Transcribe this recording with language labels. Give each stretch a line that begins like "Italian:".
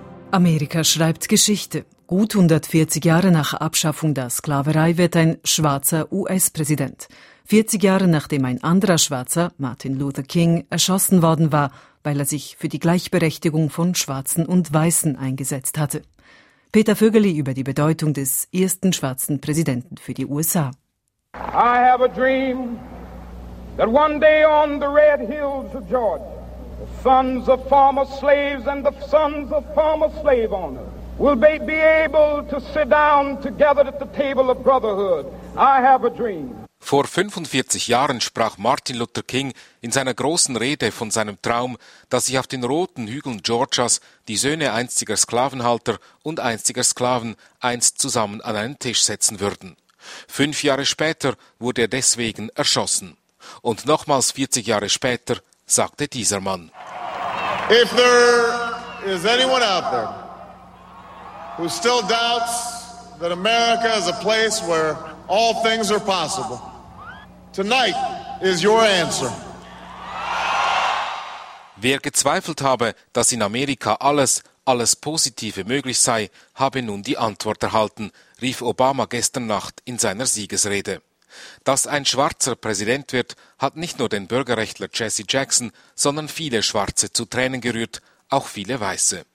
German: Amerika schreibt Geschichte. Gut 140 Jahre nach Abschaffung der Sklaverei wird ein schwarzer US-Präsident. 40 Jahre nachdem ein anderer Schwarzer, Martin Luther King, erschossen worden war, weil er sich für die Gleichberechtigung von Schwarzen und Weißen eingesetzt hatte. Peter Vögeli über die Bedeutung des ersten schwarzen Präsidenten für die USA.
English: I have a dream that one day on the red hills of Georgia, the sons of former slaves and the sons of former slave owners will be able to sit down together at the table of brotherhood. I have a dream.
German: Vor 45 Jahren sprach Martin Luther King in seiner großen Rede von seinem Traum, dass sich auf den roten Hügeln Georgias die Söhne einstiger Sklavenhalter und einstiger Sklaven einst zusammen an einen Tisch setzen würden. 5 Jahre später wurde er deswegen erschossen. Und nochmals 40 Jahre später sagte dieser Mann:
English: If there is anyone out there who still doubts that America is a place where all things are possible, tonight is your answer.
German: Wer gezweifelt habe, dass in Amerika alles Positive möglich sei, habe nun die Antwort erhalten, rief Obama gestern Nacht in seiner Siegesrede. Dass ein Schwarzer Präsident wird, hat nicht nur den Bürgerrechtler Jesse Jackson, sondern viele Schwarze zu Tränen gerührt, auch viele Weiße.